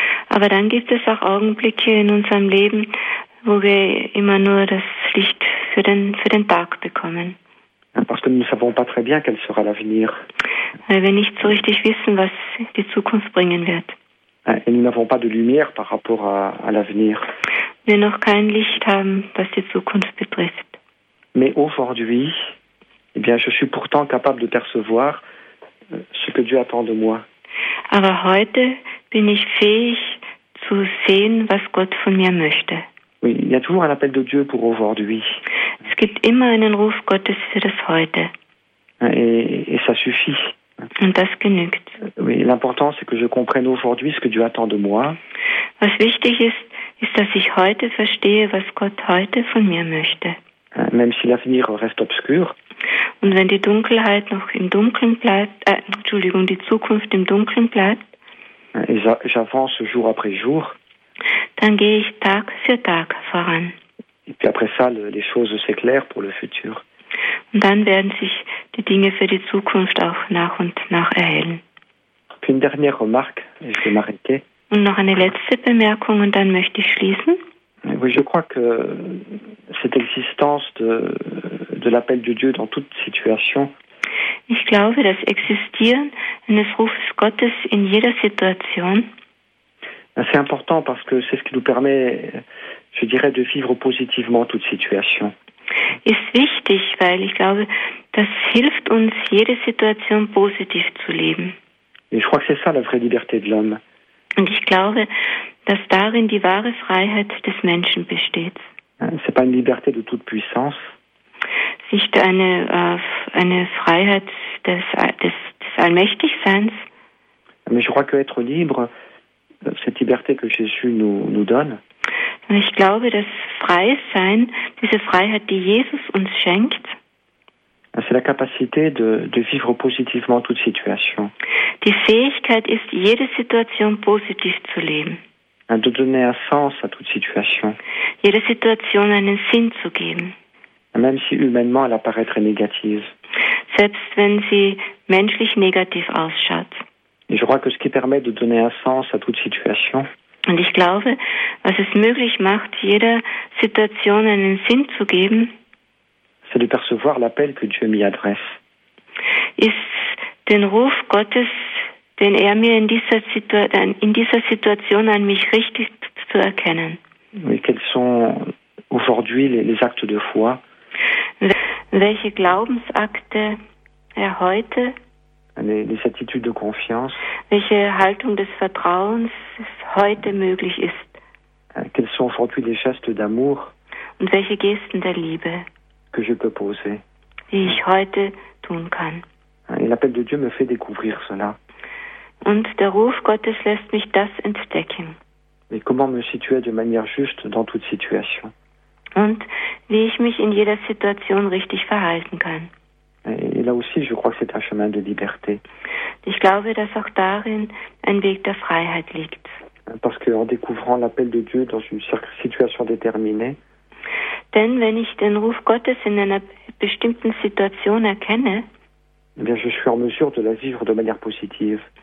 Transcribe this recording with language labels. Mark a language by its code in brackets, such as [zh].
[de] Aber dann gibt es auch Augenblicke in unserem Leben, wo wir immer nur das Licht für den Tag bekommen. [fr] Parce que nous savons pas très bien quel sera l'avenir. [de] Weil wir nicht so richtig wissen, was die Zukunft bringen wird. [fr] Et nous n'avons pas de lumière par rapport à l'avenir. [de] Wir noch kein Licht haben, was die Zukunft betrifft. [fr] Mais aujourd'hui, eh bien, je suis pourtant capable de percevoir ce que Dieu attend de moi. [de] Aber heute bin ich fähig zu sehen, was Gott von mir möchte. [fr] Oui, il y a toujours un appel de Dieu pour aujourd'hui. [de] Es gibt immer einen Ruf Gottes für das heute. [fr] Et ça suffit. [de] Und das genügt. [fr] Oui, l'important c'est que je comprenne aujourd'hui ce que Dieu attend de moi. [de] Was wichtig ist, dass ich heute verstehe, was Gott heute von mir möchte. [fr] Même si l'avenir reste obscur. [de] Und wenn die Dunkelheit noch im Dunkeln bleibt, die Zukunft im Dunkeln bleibt. [fr] J'avance jour après jour. [de] Dann gehe ich Tag für Tag voran. [fr] Et puis après ça, les choses s'éclairent pour le futur. [de] Und dann werden sich die Dinge für die Zukunft auch nach und nach erhellen. [fr] Puis une dernière remarque, et je vais m'arrêter. [de] Und noch eine letzte Bemerkung und dann möchte ich schließen. [fr] Oui, je crois que cette existence de l'appel de Dieu dans toute situation. [de] Ich glaube, das Existieren eines Rufes Gottes in jeder Situation. [fr] C'est important parce que c'est ce qui nous permet, je dirais, de vivre positivement toute situation. [de] Ist wichtig, weil ich glaube, das hilft uns, jede Situation positiv zu leben. [fr] Et je crois que c'est ça la vraie liberté de l'homme. [de] Und ich glaube, dass darin die wahre Freiheit des Menschen besteht. [fr] C'est pas une liberté de toute puissance. [de] Nicht eine Freiheit des Allmächtigseins. [fr] Mais je crois que être libre, cette liberté que Jésus nous donne. [de] Und ich glaube, dass freies Sein, diese Freiheit, die Jesus uns schenkt, [fr] c'est la capacité de vivre positivement toute situation. [de] Die Fähigkeit ist, jede Situation positiv zu leben. [fr] De donner un sens à toute situation. [de] Jede Situation einen Sinn zu geben. [fr] Même si humainement elle apparaît très négative. [de] Selbst wenn sie menschlich negativ ausschaut. [fr] Et je crois que ce qui permet de donner un sens à toute situation. [de] Und ich glaube, was es möglich macht, jeder Situation einen Sinn zu geben. [fr] C'est de percevoir l'appel que Dieu m'y adresse. [de] Ist den Ruf Gottes, den er mir in dieser Situation an mich richtet, zu erkennen. [fr] Mais quels sont aujourd'hui les actes de foi? [de] Welche Glaubensakte er heute? [fr] Les attitudes de confiance. [de] Welche Haltung des Vertrauens heute möglich ist? [fr] Quels sont aujourd'hui les gestes d'amour? [de] Und welche Gesten der Liebe? [fr] Que je peux poser? [de] Die ich heute tun kann. [fr] Et l'appel de Dieu me fait découvrir cela. [de] Und der Ruf Gottes lässt mich das entdecken. [fr] Mais comment me situer de manière juste dans toute situation? [de] Und wie ich mich in jeder Situation richtig verhalten kann. [fr] Et là aussi, je crois que c'est un chemin de liberté. [de] Ich glaube, dass auch darin ein Weg der Freiheit liegt. [fr] Parce qu'en découvrant l'appel de Dieu dans une situation déterminée. [de] Denn wenn ich den Ruf Gottes in einer bestimmten Situation erkenne, [fr] eh bien, je suis en mesure de la vivre de manière positive.